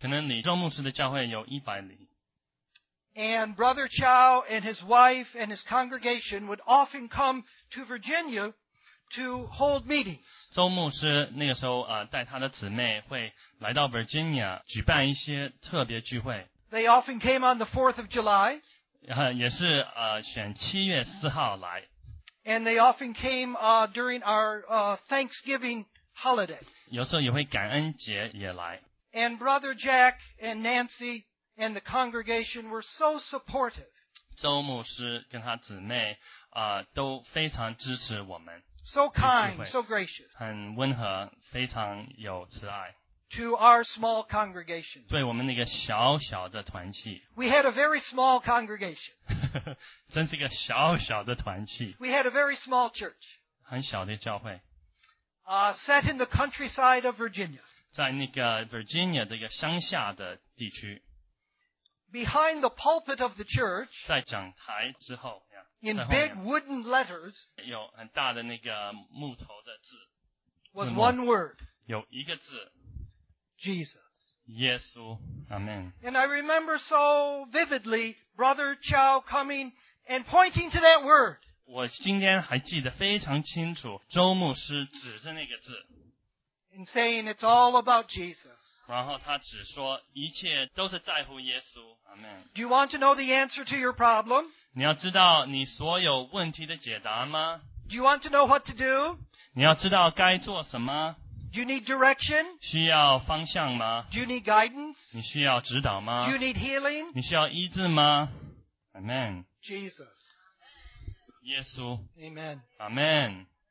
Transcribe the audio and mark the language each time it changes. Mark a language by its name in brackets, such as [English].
[Chinese] 可能李周牧师的教会有100里。 [English] And Brother Chow and his wife and his congregation would often come to Virginia to hold meetings. [Chinese] 周牧师那个时候带他的姊妹会来到Virginia举办一些特别聚会。 [English] They often came on the 4th of July. [Chinese] 也是选7月4号来。 [English] And they often came during our Thanksgiving holiday. [Chinese] 有时候也会感恩节也来。 [English] And Brother Jack and Nancy and the congregation were so supportive. [Chinese] 周牧师跟他姊妹, 都非常支持我们, [English] so kind, so gracious. [Chinese] 很温和,非常有慈爱。 [English] To our small congregation. [Chinese] 对我们那个小小的团契。 [English] We had a very small congregation. [Chinese] 真是一个小小的团契。 [English] We had a very small church. [Chinese] 很小的教会。 [English] Set in the countryside of Virginia. [Chinese] 在那个Virginia的一个乡下的地区。 [English] Behind the pulpit of the church, [Chinese] 在讲台之后, [English] in big wooden letters, [Chinese] 有很大的那个木头的字, [English] was one word, [Chinese] 有一个字, [English] Jesus. [Chinese] 耶稣, Amen. [English] And I remember so vividly Brother Chow coming and pointing to that word. [Chinese] 我今天还记得非常清楚, 周牧师指着那个字, [English] and saying it's all about Jesus. [Chinese] 然后他只说一切都是在乎耶稣, Amen. [English] Do you want to know the answer to your problem? [Chinese] 你要知道你所有问题的解答吗? [English] Do you want to know what to do? [Chinese] 你要知道该做什么? [English] Do you need direction? [Chinese] 需要方向吗? [English] Do you need guidance? [Chinese] 你需要指导吗? [English] Do you need healing? [Chinese] 你需要医治吗?Amen. [English] Jesus. [Chinese] 耶稣. [English] Amen. Amen.